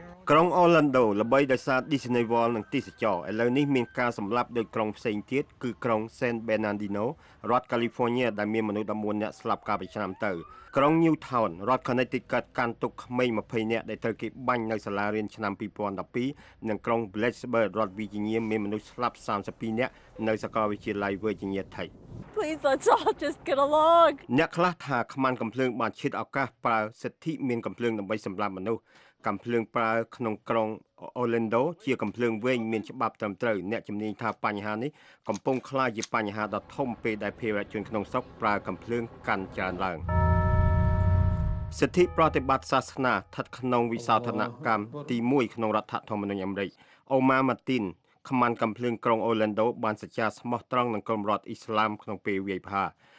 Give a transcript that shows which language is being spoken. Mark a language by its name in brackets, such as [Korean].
[Khmer] ក្រុង Orlando ល្បីដោយសារ Disney World និងទីសចរឥឡូវនេះមានការសម្លាប់ដោយក្រុងផ្សេងទៀតគឺក្រុង San Bernardino រដ្ឋ California ដែលមានមនុស្ស11អ្នកស្លាប់កាលពីឆ្នាំទៅក្រុង Newtown រដ្ឋ Connecticut កាន់ទុកក្មេង20អ្នកដែលត្រូវគេបាញ់នៅសាលារៀនឆ្នាំ2012និងក្រុង Blacksburg រដ្ឋ Virginia មានមនុស្សស្លាប់32អ្នកនៅសាកលវិទ្យាល័យ Virginia Tech [English] Please let's all just get along [Khmer] អ្នកខ្លះថាខ្មាំងកំភ្លើងបានឈិតឱកាសប្រើសិទ្ធិមានកំភ្លើងដើម្បីសម្លាប់មនុស្សកំភ្លើងប្រើក្នុងក្រុង Orlando ជាកំភ្លើងវែងមានច្បាប់ត្រឹមត្រូវអ្នកជំនាញថាបញ្ហានេះកំពុងក្លាយជាបញ្ហាដ៏ធំពេលដែលប្រជាជនក្នុងស្រុកប្រើកំភ្លើងកាន់ច្រើនឡើងសិទ្ធិប្រតិបត្តិសាសនាស្ថិតក្នុងវិសោធនកម្មទី1ក្នុងរដ្ឋធម្មនុញ្ញអាមេរិកអូម៉ាម៉ាទីនខ្មាំងកំភ្លើងក្រុង Orlando បានសច្ចាស្មោះត្រង់នឹងក្រុមរដ្ឋអ៊ីស្លាមក្នុងពេលវាយប្រហារ